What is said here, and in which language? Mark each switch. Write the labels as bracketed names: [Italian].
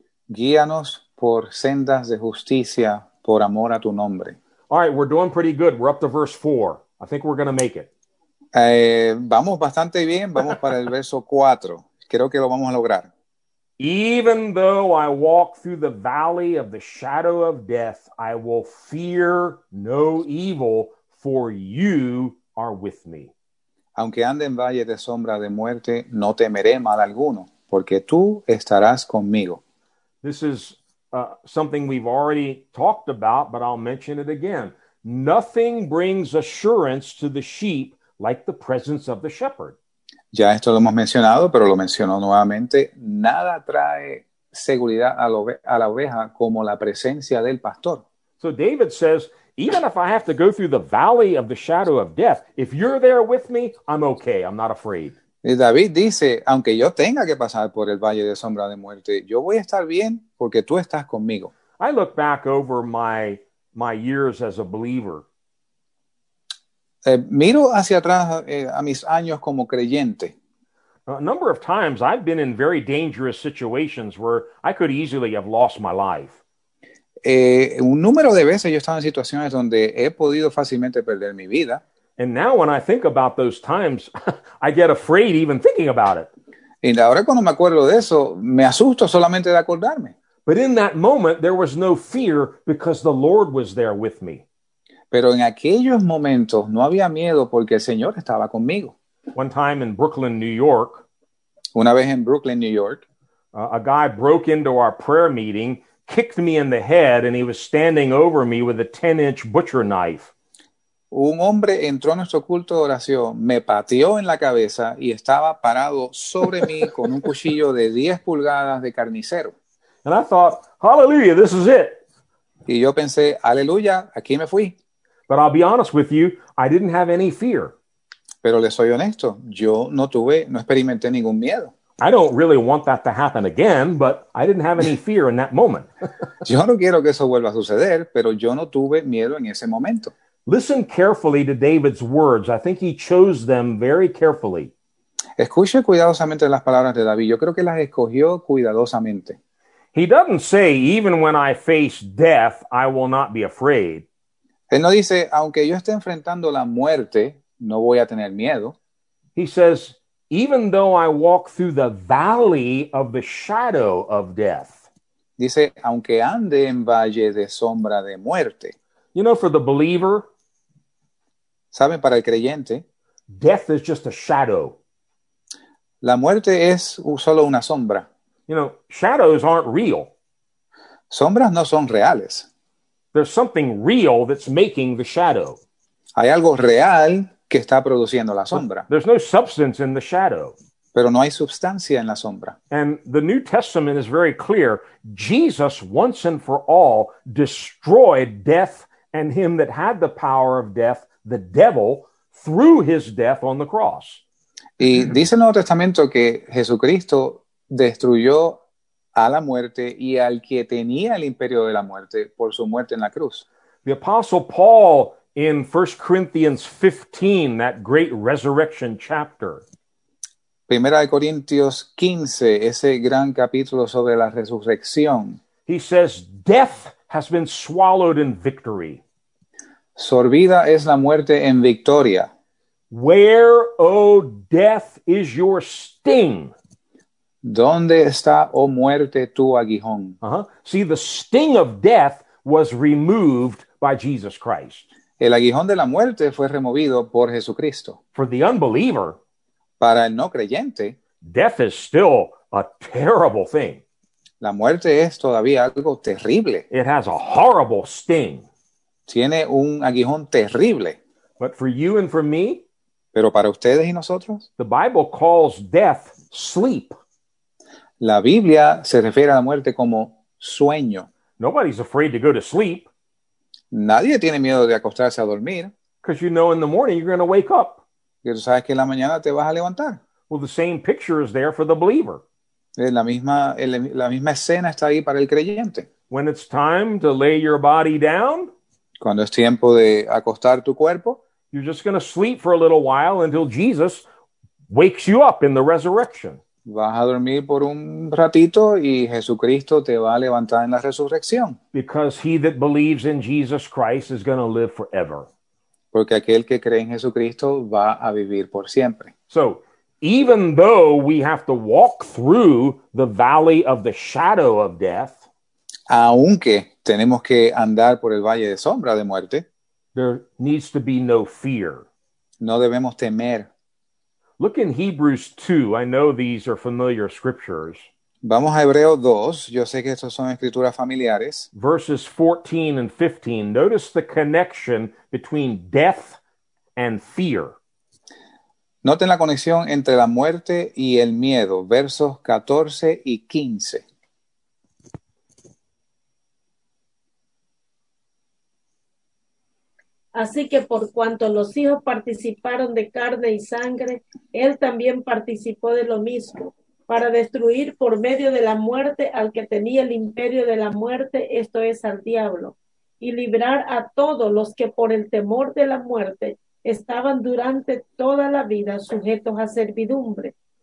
[Spanish] Guíanos por sendas de justicia, por amor a tu nombre. [English] All right, we're doing pretty good. We're up to verse 4. I think we're going to make it. [Spanish] Vamos bastante bien. Vamos para el verso 4. Creo que lo vamos a lograr. [English] Even though I walk through the valley of the shadow of death, I will fear no evil, for you are with me. [Spanish] Aunque ande en valle de sombra de muerte, no temeré mal alguno, porque tú estarás conmigo. [English] This is something we've already talked about, but I'll mention it again. Nothing brings assurance to the sheep like the presence of the shepherd. [Spanish] Ya esto lo hemos mencionado, pero lo menciono nuevamente. Nada trae seguridad a la oveja como la presencia del pastor. [English] So David says, even if I have to go through the valley of the shadow of death, if you're there with me, I'm okay. I'm not afraid. [Spanish] David dice, aunque yo tenga que pasar por el valle de sombra de muerte, yo voy a estar bien porque tú estás conmigo. [English] I look back over my years as a believer. [Spanish] Miro hacia atrás a mis años como creyente. [English] A number of times I've been in very dangerous situations where I could easily have lost my life. [Spanish] Un número de veces yo he estado en situaciones donde he podido fácilmente perder mi vida. [English] And now when I think about those times, I get afraid even thinking about it. [Spanish] Y ahora cuando me acuerdo de eso, me asusto solamente de acordarme. [English] But in that moment, there was no fear because the Lord was there with me. [Spanish] Pero en aquellos momentos no había miedo porque el Señor estaba conmigo. [English] One time in Brooklyn, New York. [Spanish] Una vez en Brooklyn, New York. [English] A guy broke into our prayer meeting, kicked me in the head, and he was standing over me with a 10-inch butcher knife. [Spanish] Un hombre entró a nuestro culto de oración, me pateó en la cabeza y estaba parado sobre mí con un cuchillo de 10 pulgadas de carnicero. [English] And I thought, hallelujah, this is it. [Spanish] Y yo pensé, aleluya, aquí me fui. [English] But I'll be honest with you, I didn't have any fear. [Spanish] Pero le soy honesto, yo no experimenté ningún miedo. [English] I don't really want that to happen again, but I didn't have any fear in that moment. [Spanish] Yo no quiero que eso vuelva a suceder, pero yo no tuve miedo en ese momento. [English] Listen carefully to David's words. I think he chose them very carefully. [Spanish] Escuche cuidadosamente las palabras de David. Yo creo que las escogió cuidadosamente. [English] He doesn't say, even when I face death, I will not be afraid. [Spanish] Él no dice, aunque yo esté enfrentando la muerte, no voy a tener miedo. [English] He says, even though I walk through the valley of the shadow of death. [Spanish] Dice, aunque ande en valle de sombra de muerte. [English] You know, for the believer, [Spanish] ¿saben? Para el creyente, [English] death is just a shadow. [Spanish] La muerte es solo una sombra. [English] You know, shadows aren't real. [Spanish] Sombras no son reales. [English] There's something real that's making the shadow. [Spanish] Hay algo real que está produciendo la sombra. [English] There's no substance in the shadow. [Spanish] Pero no hay sustancia en la sombra. [English] And the New Testament is very clear. Jesus, once and for all, destroyed death and him that had the power of death, the devil, through his death on the cross. [Spanish] Y dice el Nuevo Testamento que Jesucristo destruyó a la muerte y al que tenía el imperio de la muerte por su muerte en la cruz. [English] The Apostle Paul in 1 Corinthians 15, that great resurrection chapter. [Spanish] Primera de Corintios 15, ese gran capítulo sobre la resurrección. [English] He says, death has been swallowed in victory. [Spanish] Sorbida es la muerte en victoria. Where, O death, is your sting? ¿Dónde está, oh muerte, tu aguijón? Uh-huh. [English] See, the sting of death was removed by Jesus Christ. [Spanish] El aguijón de la muerte fue removido por Jesucristo. [English] For the unbeliever, [Spanish] para el no creyente, [English] death is still a terrible thing. [Spanish] La muerte es todavía algo terrible. [English] It has a horrible sting. [Spanish] Tiene un aguijón terrible. [English] But for you and for me, [Spanish] pero para ustedes y nosotros, [English] the Bible calls death sleep. [Spanish] La Biblia se refiere a la muerte como sueño. [English] Nobody's afraid to go to sleep. [Spanish] Nadie tiene miedo de acostarse a dormir. [English] Because you know in the morning you're going to wake up. [Spanish] Porque tú sabes que en la mañana te vas a levantar. [English] Well, the same picture is there for the believer. [Spanish] La misma escena está ahí para el creyente. [English] When it's time to lay your body down, [Spanish] cuando es tiempo de acostar tu cuerpo, [English] you're just going to sleep for a little while until Jesus wakes you up in the resurrection. [Spanish] Vas a dormir por un ratito y Jesucristo te va a levantar en la resurrección. [English] Because he that believes in Jesus Christ is going to live forever. [Spanish] Porque aquel que cree en Jesucristo va a vivir por siempre. [English] So, even though we have to walk through the valley of the shadow of death, [Spanish] aunque tenemos que andar por el valle de sombra de muerte, [English] there needs to be no fear. [Spanish] No debemos temer. [English] Look in Hebrews 2. I know these are familiar scriptures. [Spanish] Vamos a Hebreo 2. Yo sé que estos son escrituras familiares. [English] Verses 14 and 15. Notice the connection between death and fear. [Spanish] Noten la conexión entre la muerte y el miedo. Versos 14 y 15. Así que por cuanto los hijos participaron de carne y sangre, él también participó de lo mismo, para destruir por medio de la muerte al que tenía el imperio de la muerte, esto es al diablo, y librar a todos los que por el temor de la muerte estaban durante toda la vida sujetos a servidumbre.